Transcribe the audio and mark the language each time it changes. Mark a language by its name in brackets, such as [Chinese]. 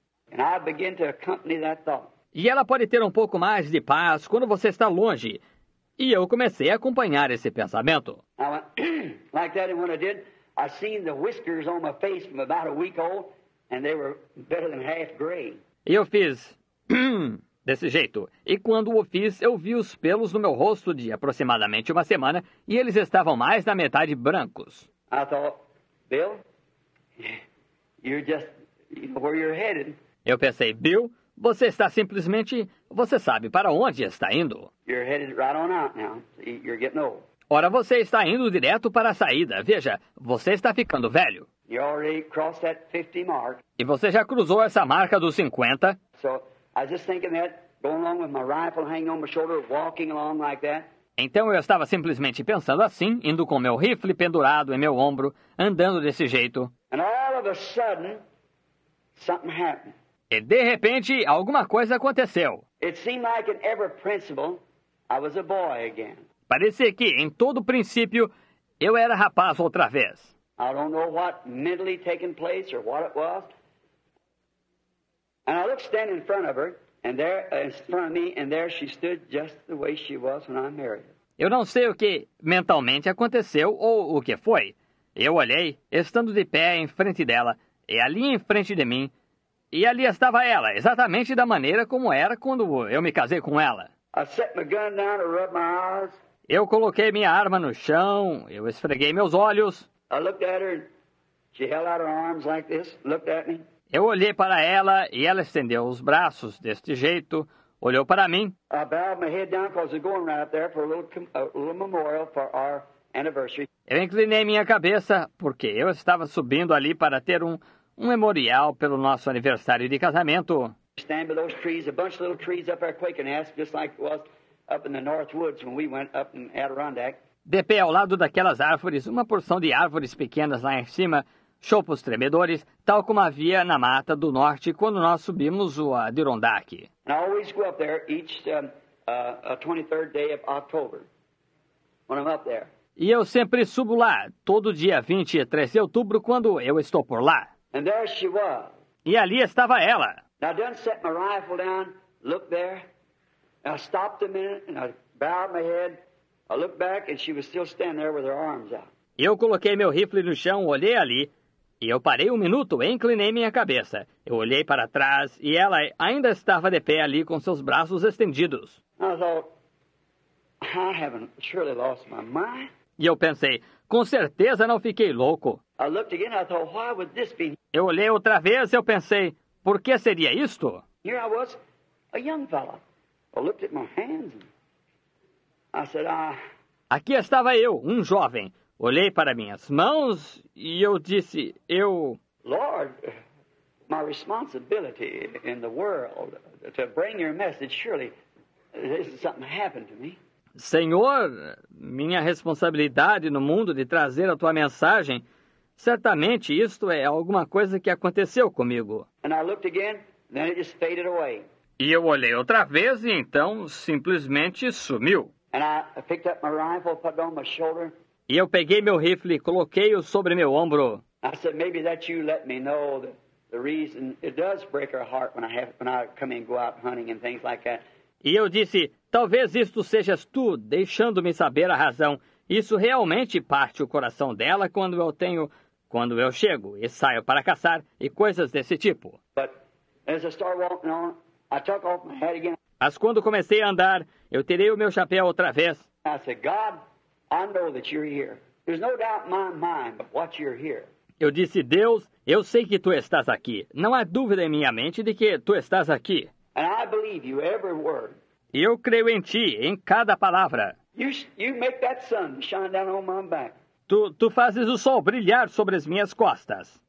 [English] And I begin to accompany that thought. [Portuguese] E ela pode ter um pouco mais de paz quando você está longe. E eu comecei a acompanhar esse pensamento. [English] I went, like that, and when I did, I seen the whiskers on my face from about a week old, and they were better than half gray. [Portuguese] E eu fiz desse jeito. E quando o fiz, eu vi os pelos no meu rosto de aproximadamente uma semana, e eles estavam mais da metade brancos. [English] I thought, Bill, you're just where you're headed. [Portuguese] Eu pensei, Bill, você está simplesmente, você sabe para onde está indo. [English] You're headed right on out now. You're getting old. [Portuguese] Ora, você está indo direto para a saída. Veja, você está ficando velho. [English] You already crossed that 50 mark. [Portuguese] E você já cruzou essa marca dos 50. [English] So, I was just thinking that, going along with my rifle hanging on my shoulder, walking along like that. [Portuguese] Então eu estava simplesmente pensando assim, indo com meu rifle pendurado em meu ombro, andando desse jeito. [English] And all of a sudden, something happened. [Portuguese] E, de repente, alguma coisa aconteceu. [English] It seemed like in every principle, I was a boy again. [Portuguese] Parecia que, em todo princípio, eu era rapaz outra vez. [English] I don't know what mentally taken place or what it was. And I looked standing in front of her, and there, in front of me, and there she stood just the way she was when I married her. [Portuguese] Eu não sei o que mentalmente aconteceu ou o que foi. Eu olhei, estando de pé em frente dela, e ali em frente de mim, E ali estava ela, exatamente da maneira como era quando eu me casei com ela. [English] I set my gun down to rub my eyes. [Portuguese] Eu coloquei minha arma no chão, eu esfreguei meus olhos. [English] I looked at her, she held out her arms like this, looked at me. [Portuguese] Eu olhei para ela e ela estendeu os braços deste jeito, olhou para mim. [English] I bowed my head down because we're going right there for a little memorial for our anniversary. [Portuguese] Eu inclinei minha cabeça porque eu estava subindo ali para ter um memorial pelo nosso aniversário de casamento. [English] Stand by those trees, a bunch of little trees up there quaking, ask just like it was up in the North Woods when we went up in Adirondack. [Portuguese] De pé ao lado daquelas árvores, uma porção de árvores pequenas lá em cima, chopos tremedores, tal como havia na mata do norte quando nós subimos o Adirondack. [English] I always go up there each 23rd day of October when I'm up there. [Portuguese] E eu sempre subo lá, todo dia 23 de outubro, quando eu estou por lá. [English] And there she was. [Portuguese] E ali estava ela. [English] Now, I done set my rifle down, looked there. And I stopped a minute and I bowed my head. I looked back and she was still standing there with her arms out. [Portuguese] E eu coloquei meu rifle no chão, olhei ali. E eu parei um minuto e inclinei minha cabeça. Eu olhei para trás e ela ainda estava de pé ali com seus braços estendidos. [English] I thought, I haven't surely lost my mind. [Portuguese] E eu pensei, com certeza não fiquei louco. [English] I looked again, I thought, why would this be? [Portuguese] Eu olhei outra vez e eu pensei, por que seria isto? [English] Here I was, a young fella. I looked at my hands and I said, [Portuguese] Aqui estava eu, um jovem. Olhei para minhas mãos e eu disse, [English] Lord, my responsibility in the world to bring your message, surely this is something happened to me. [Portuguese] Senhor, minha responsabilidade no mundo de trazer a tua mensagem, certamente isto é alguma coisa que aconteceu comigo. [English] And I looked again, then it just faded away. [Portuguese] E eu olhei outra vez e então simplesmente sumiu. [English] And I picked up my rifle, put it on my shoulder. [Portuguese] E eu peguei meu rifle e coloquei-o sobre meu ombro. [English] I said, maybe that you let me know the reason it does break our heart when I come and go out hunting and things like that. [Portuguese] E eu disse, talvez isto sejas tu, deixando-me saber a razão. Isso realmente parte o coração dela quando eu chego e saio para caçar e coisas desse tipo. [English] But as I start walking on, I took off my hat again. [Portuguese] Mas quando comecei a andar, eu tirei o meu chapéu outra vez. [English] I said, God, I know that you're here. There's no doubt in my mind but what you're here. [Portuguese] Eu disse, Deus, eu sei que tu estás aqui. Não há dúvida em minha mente de que tu estás aqui. [English] And I believe you every word. [Portuguese] E eu creio em ti, em cada palavra. [English] You make that sun shine down on my back. [Portuguese] Tu fazes o sol brilhar sobre as minhas costas.